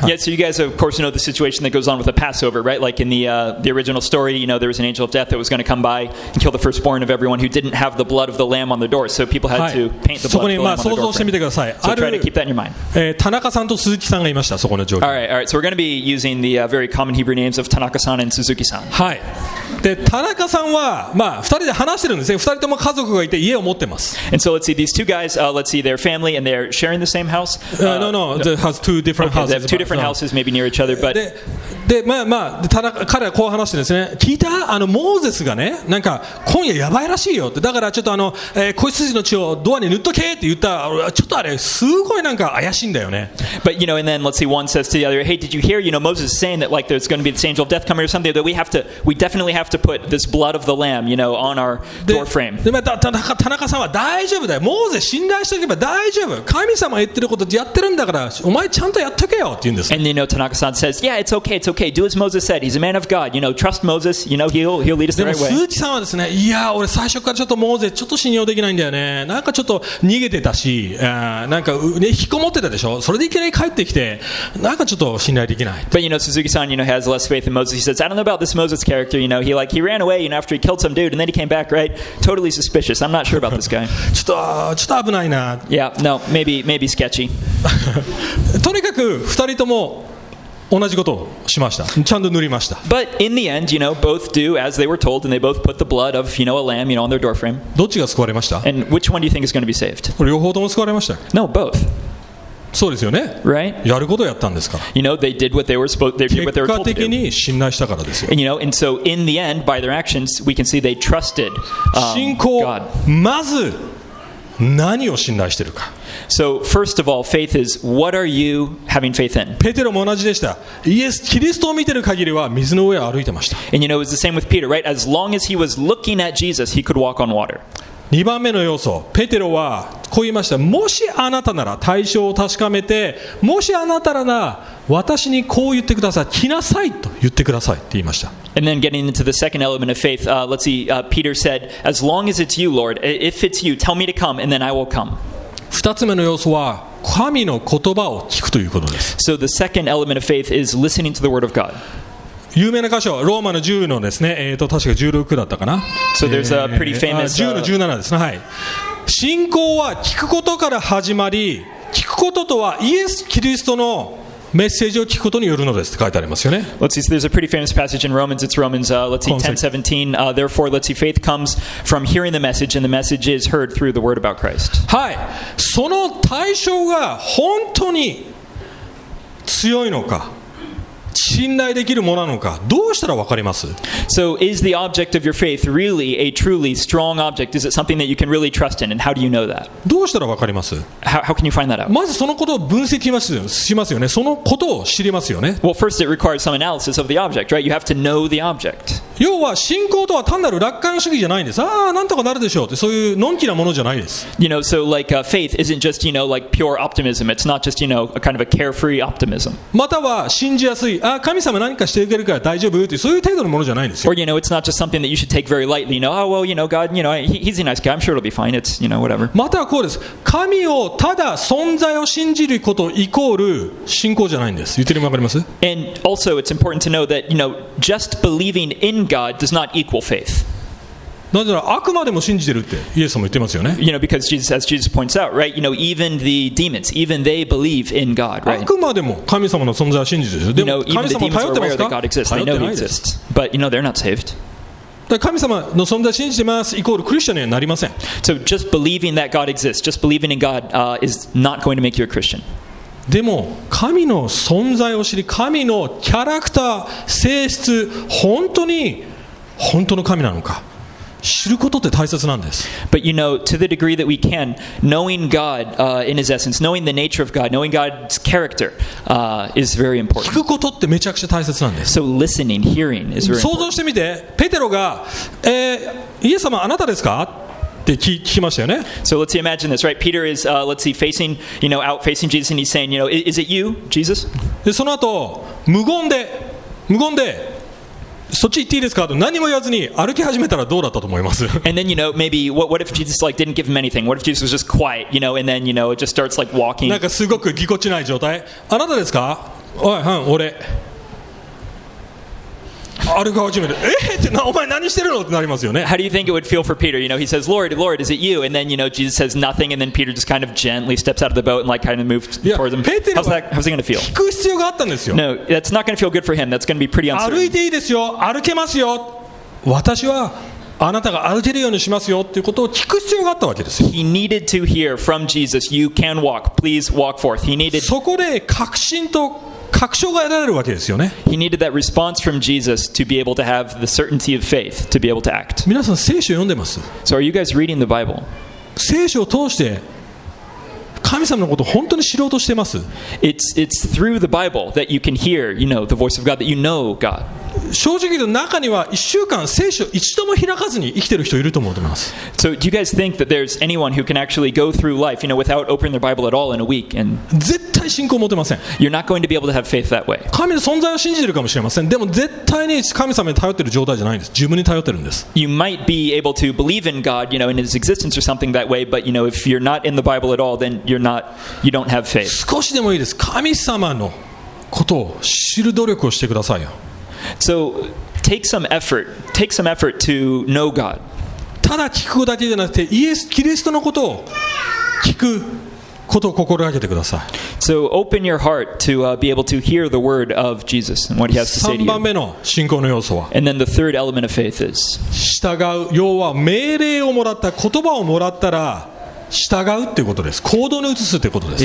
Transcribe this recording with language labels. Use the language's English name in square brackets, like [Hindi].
[English] Yeah, so you guys of course know the situation that goes on with the Passover, right? Like in the original story, you know, there was an angel of death that was going to come by and kill the firstborn of everyone who didn't have the blood of the lamb on the door. So people had to paint the blood of the lamb on the door. [Japanese] そこにまあ想像してみてください。 [English] So try to keep that in your mind. [Japanese] 田中さんと鈴木さんがいましたそこの状況。 [English] All right. So we're going to be using the very common Hebrew names of Tanaka-san and Suzuki-san. [Japanese] はい。で田中さんはまあ2人で話してるんですね。2人とも家族がいて家を持ってます。 [English] And so let's see these two guys. Let's see, their family and they're sharing the same house. No, they have two different houses. They have two different houses, maybe near each other. But, [Japanese] で、まあまあ、田中、彼はこう話してですね。聞いた？あのモーゼスがね、なんか今夜やばいらしいよって。だからちょっとあの、子羊の血をドアに塗っとけって言った。ちょっとあれすごいなんか怪しいんだよね。 [English] But you know, and then let's see, one says to the other, "Hey, did you hear? You know, Moses is saying that like there's going to be this angel of death coming or something that we definitely have to put this blood of the lamb, you know, on our door frame." [Japanese] で、また田中さんは大丈夫だよ。モーゼス信頼しておけば大丈夫。神様が言ってることやってるんだから、お前ちゃんとやっとけよって言うんです。 [English] And you know, Tanaka-san says, "Yeah, it's okay, it's okay. Do as Moses said. He's a man of God. You know, trust Moses. You know, he'll lead us the right way." [Japanese] でも鈴木さんはですね、いや、俺最初からちょっとモーゼちょっと信用できないんだよね。なんかちょっと逃げてたし、なんか、ね、引きこもってたでしょ。それでいきなり帰ってきて、なんかちょっと信頼できない。 [English] But you know, Suzuki-san, you know, has less faith in Moses. He says, "I don't know about this Moses character. You know, he ran away, you know, after he killed some dude, and then he came back, right? Totally suspicious. I'm not sure about this guy." [Japanese] ちょっと危ないな。 [English] Yeah, no, maybe sketchy. [Japanese] とにかく2人とも同じことをしました。ちゃんと塗りました。 [English] But in the end, you know, both do as they were told, and they both put the blood of, you know, a lamb, you know, on their doorframe. [Japanese] どっちが救われました？ [English] And which one do you think is going to be saved? [Japanese] 両方とも救われました。 [English] No, both. [Japanese] そうですよね。 [English] Right. [Japanese] やることをやったんですから。 [English] You know, they did what they were supposed. They did what they were told to do. [Japanese] 結果的に信頼したからですよ。 [English] And you know, and so in the end, by their actions, we can see they trusted God. [Japanese] まず何を信頼してるか。 [English] So first of all, faith is what are you having faith in? [Japanese] ペテロも同じでした。イエス、キリストを見てる限りは水の上を歩いてました。 [English] And you know, it was the same with Peter, right? As long as he was looking at Jesus, he could walk on water. [Japanese] 2番目の要素、ペテロはこう言いました。もしあなたなら、対象を確かめて、もしあなたらな、私にこう言ってください。来なさいと言ってくださいって言いました。 [English] And then getting into the second element of faith, let's see, Peter said, as long as it's you, Lord, if it's you, tell me to come, and then I will come. [Japanese] 2つ目の要素は、神の言葉を聞くということです。 [English] So the second element of faith is listening to the word of God. [Japanese] 有名な箇所、ローマの10のですね、確か16だったかな。 [English] So there's a pretty famous, [Japanese] 10の17ですね、はい。信仰は聞くことから始まり、聞くこととはイエス・キリストのメッセージを聞くことによるのですって書いてありますよね。 [English] Let's see, so there's a pretty famous passage in Romans. It's Romans, let's see, 10:17. Therefore, let's see, faith comes from hearing the message, and the message is heard through the word about Christ. [Japanese] はい。その対象が本当に強いのか。信頼できるものなのか、どうしたら分かります? [English] So is the object of your faith really a truly strong object? Is it something that you can really trust in? And how do you know that? [Japanese] どうしたら分かります? [English] How can you find that out? [Japanese] まずそのことを分析しますよね。そのことを知りますよね。 [English] Well, first it requires some analysis of the object, right? You have to know the object. [Japanese] 要は信仰とは単なる楽観主義じゃないんです。ああ、なんとかなるでしょうって、そういうのんきなものじゃないです。 [English] You know, so like faith isn't just, you know, like pure optimism. It's not just, you know, a kind of a carefree optimism. [Japanese] または信じやすい。ああ神様何かしてくれるから大丈夫ってそういう程度のものじゃないんですよ。 [English] Or, you know, it's not just something that you should take very lightly. You know, oh, well, you know, God, you know, he's a nice guy. I'm sure it'll be fine. It's, you know, whatever. [Japanese] またはこうです。神をただ存在を信じることイコール信仰じゃないんです。言ってるのわかります? [English] And also, it's important to know that, you know, just believing in God does not equal faith. [Japanese] なぜならあくまでも信じてるってイエス様言ってますよね。 [English] You know, because Jesus, as Jesus points out, right? You know, even the demons, even they believe in God, right? [Japanese] あくまでも神様の存在を信じてる。でも神様頼ってますか? [English] God exists. They know He exists. But you know, they're not saved. [Japanese] だから神様の存在を信じてますイコールクリスチャンにはなりません。 [English] So just believing that God exists, just believing in God, is not going to make you a Christian. [Japanese] でも神の存在を知り、神のキャラクター、性質、本当の神なのか。知ることって大切なんです。 [English] But you know, to the degree that we can, knowing God, in His essence, knowing the nature of God, knowing God's character, is very important. [Japanese] 聞くことってめちゃくちゃ大切なんです。 [English] So listening, hearing is very important. [Japanese] 想像してみて、ペテロが、イエス様あなたですか? って聞きましたよね。 [English] So let's see, imagine this, right? Peter is, let's see, facing, you know, out facing Jesus, and he's saying, you know, is it you, Jesus? [Japanese] で、その後、無言で、そっち行っていいですかと何も言わずに歩き始めたらどうだったと思います。 [English] And then you know maybe what if Jesus like didn't give him anything? What if Jesus was just quiet, you know? And then you know it just starts like walking. [Japanese] なんかすごくぎこちない状態。あなたですか？おい、はん、俺。歩き始めて、ってなお前何してるのってなりますよね。 [English] How do you think it would feel for Peter? You know, he says, Lord, Lord, is it you? And then you know Jesus says nothing, and then Peter just kind of gently steps out of the boat and like kind of moves towards him. How's he going to feel? [Japanese] 聞く必要があったんですよ。 [English] No, that's not going to feel good for him. That's going to be pretty uncertain. [Japanese] 歩いていいですよ。歩けますよ。私はあなたが歩けるようにしますよっていうことを聞く必要があったわけです。 [English] He needed to hear from Jesus, "You can walk. Please walk forth." He needed. [Japanese] そこで確信と。確証が得られるわけですよね。 [English] He needed that response from Jesus to be able to have the certainty of faith to be able to act. [Japanese] 皆さん聖書読んでます。 [English] So are you guys reading the Bible? [Japanese] 聖書を通して神様のことを本当に知ろうとしてます。 [English] It's through the Bible that you can hear, you know, the voice of God, that you know God. [Japanese] 正直言うと中には1週間聖書一度も開かずに生きてる人いると思ってます。 [English] So do you guys think that there's anyone who can actually go through life, you know, without opening their Bible at all in a week and [Japanese] 絶対信仰持てません。 [English] You're not going to be able to have faith that way. [Japanese] 神の存在を信じてるかもしれません。でも絶対に神様に頼ってる状態じゃないんです。自分に頼ってるんです。 [English] You might be able to believe in God, you know, in His existence or something that way, but you know, if you're not in the Bible at all, then you don't have faith. [Japanese] 少しでもいいです。神様のことを知る努力をしてくださいよ。 [English] So take some effort. Take some effort to know God. [Japanese] ただ聞くだけじゃなくて、イエス・キリストのことを聞くことを心がけてください。 [English] So open your heart to be able to hear the word of Jesus and what He has to say to you. [Japanese] 3番目の信仰の要素は。 [English] And then the third element of faith is. [Japanese] 従う。要は命令をもらった、言葉をもらったら。従うっていうことです。行動に移すっていうことです。